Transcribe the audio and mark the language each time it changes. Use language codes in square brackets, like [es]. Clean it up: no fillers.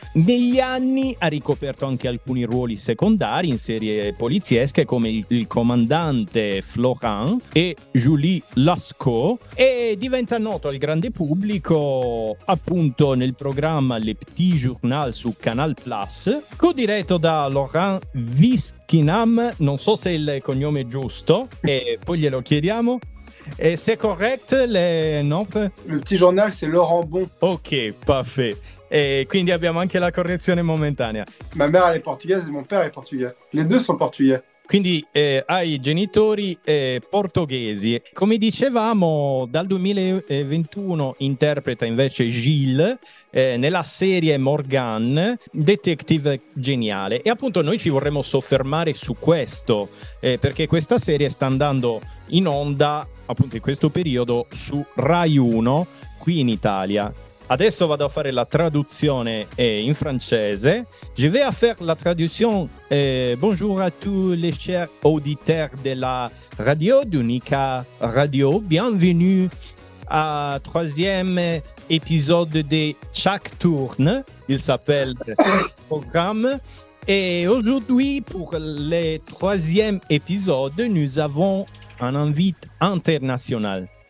[it] Negli anni ha ricoperto anche alcuni ruoli secondari in serie poliziesche come il comandante Florent e Julie Lascaux, e diventa noto al grande pubblico appunto nel programma Le Petit Journal su Canal Plus, co-diretto da Laurent Wiskinam. Non so se il cognome è giusto, e poi glielo chiediamo. [fr] Et c'est correct, Le Petit Journal, c'est Laurent Bon. Ok, parfait. [it] E quindi abbiamo anche la correzione momentanea. [fr] Ma mère, elle est portugaise et mon père est portugais. Les deux sont portugais. [it] Quindi hai genitori portoghesi. Come dicevamo, dal 2021 interpreta invece Gilles nella serie Morgan, detective geniale. E appunto noi ci vorremmo soffermare su questo, perché questa serie sta andando in onda appunto in questo periodo su Rai 1 qui in Italia. Adesso vado a fare la traduzione in francese. [fr] Je vais à faire la traduction. Bonjour à tous les chers auditeurs de la radio, d'Unica Radio. Bienvenue à troisième épisode de Chuck Tourne. Il s'appelle programme. Et aujourd'hui, pour le troisième épisode, nous avons un invité international.